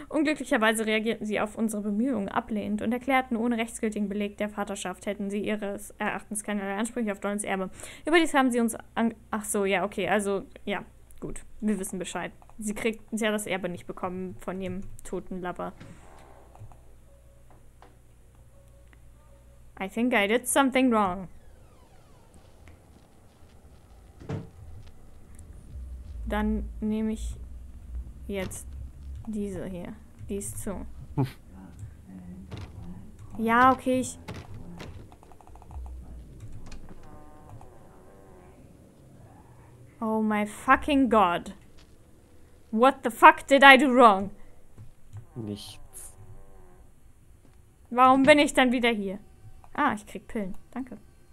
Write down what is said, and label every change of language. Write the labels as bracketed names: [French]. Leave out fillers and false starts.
[German] Unglücklicherweise reagierten sie auf unsere Bemühungen ablehnend und erklärten, ohne rechtsgültigen Beleg der Vaterschaft hätten sie ihres Erachtens keinerlei Ansprüche auf Donalds Erbe. Überdies haben sie uns... Ach so, ja, okay, also, ja, gut, wir wissen Bescheid. Sie hat das Erbe nicht bekommen von ihrem toten Lover. [English] I think I did something wrong. [German] Dann nehme ich jetzt diese hier. Dies zu. Ja, okay, ich... [English] Oh my fucking God. What the fuck did I do wrong? [German] Nichts. Warum bin ich dann wieder hier? Ah, ich krieg Pillen. Danke.